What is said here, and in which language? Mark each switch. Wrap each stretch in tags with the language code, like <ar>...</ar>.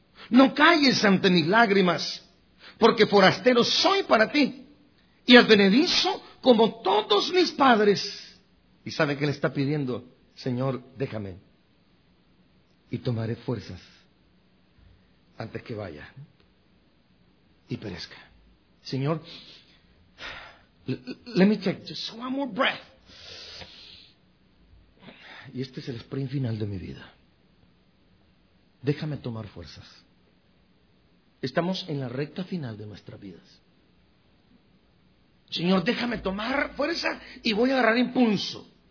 <es>No calles ante mis lágrimas, porque forastero soy para ti, y advenedizo como todos mis padres. Y sabe que le está pidiendo, Señor, déjame, y tomaré fuerzas antes que vaya y perezca.</es> <en>Señor, let me take just one more breath.</en> <es>Y este es el sprint final de mi vida. Déjame tomar fuerzas. Estamos en la recta final de nuestras vidas. Señor, déjame tomar fuerza y voy a agarrar impulso.</es>